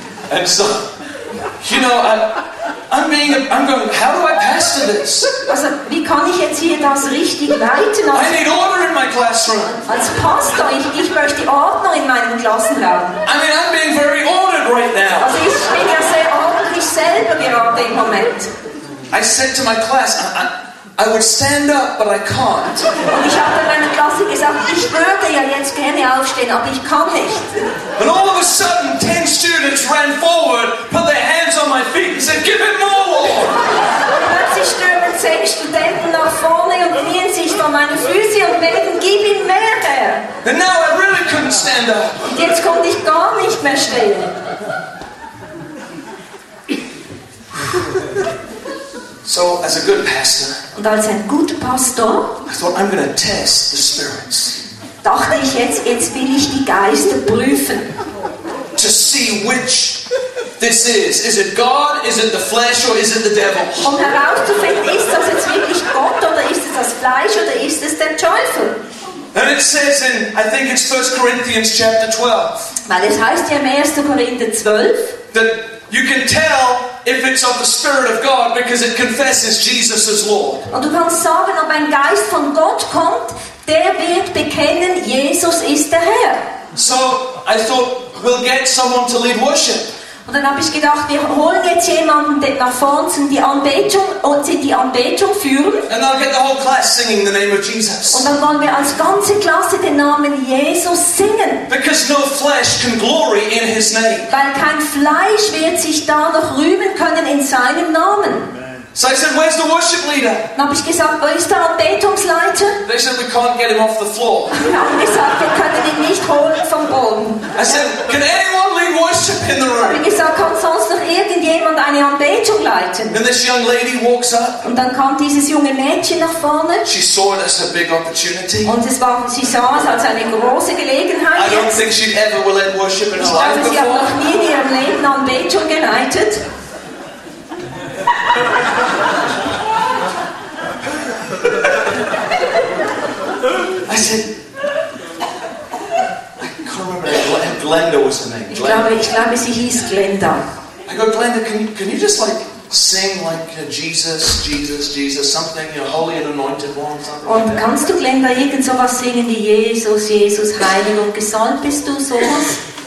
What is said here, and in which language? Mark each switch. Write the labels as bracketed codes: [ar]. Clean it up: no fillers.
[en] And so, you know, I'm going, how do I pastor this? [de] Also, wie kann ich jetzt hier das richtig leiten? [en] I need order in my classroom. [de] Als Pastor, ich möchte Ordnung in meinem meinen Klassenraum. [en] I mean, I'm being very ordered right now. [de] Also ich bin ja sehr ordentlich selber gerade im Moment. [en] I said to my class, I would stand up, but I can't. [de] Und ich habe dann meiner Klasse gesagt, ich würde ja jetzt gerne aufstehen, aber ich kann nicht. [en] And all of a sudden, 10 students ran forward, put their hands on my feet and said, give it more, Lord. [de] Plötzlich stürmen 10 Studenten nach vorne und knien sich vor meine Füße und beten, gib ihm mehr, Herr. [en] And now I really couldn't stand up. [de] Und jetzt konnte ich gar nicht mehr stehen. [en] So, as a good pastor, [de] und als ein guter Pastor, [en] I thought, I'm gonna test the spirits. [de] Dachte ich jetzt will ich die Geister prüfen. [en] To see which this is it God, is it the flesh, or is it the devil? [de] Um herauszufinden, ist das jetzt wirklich Gott oder ist es das Fleisch oder ist es der Teufel? [en] And it says in, I think it's 1 Corinthians chapter 12. [de] Weil es heißt ja im 1. Korinther 12. [en] That you can tell if it's of the Spirit of God because it confesses Jesus as Lord. [de] Und du kannst sagen, ob ein Geist von Gott kommt, der wird bekennen, Jesus ist der Herr. [en] So I thought we'll get someone to lead worship. [de] Und dann habe ich gedacht, wir holen jetzt jemanden nach vorne und die Anbetung führen. [en] And I'll get the whole class singing the name of Jesus. [de] Und dann wollen wir als ganze Klasse den Namen Jesus singen. [en] Because no flesh can glory in his name. [de] Weil kein Fleisch wird sich da noch rühmen können in seinem Namen. [en] So I said, where's the worship leader? [de] Dann habe ich gesagt, wo ist der Anbetungsleiter? [en] They said, we can't get him off the floor. [de] Wir haben gesagt, wir können ihn nicht holen vom Boden. [en] I said, can anyone lead worship in the room? [de] Dann habe ich gesagt, kann sonst noch irgendjemand eine Anbetung leiten? [en] And this young lady walks up. [de] Und dann kam dieses junge Mädchen nach vorne. [en] She saw it as a big opportunity. [de] Und sie sah es als eine große Gelegenheit. [en] I don't think she'd ever will lead worship in her life before. [de] Ich glaube, sie hat noch nie in ihrem Leben Anbetung geleitet. [en] I said, I can't remember. Glenda was her name. [de] Ich glaube, sie hieß Glenda. [en] I go, Glenda, can you just like sing like Jesus, something, you know, holy and anointed one, something. [de] Und [en] like [de] kannst [en] that. [de] Du Glenda irgend sowas singen wie Jesus, heilig und gesalbt bist du sowas?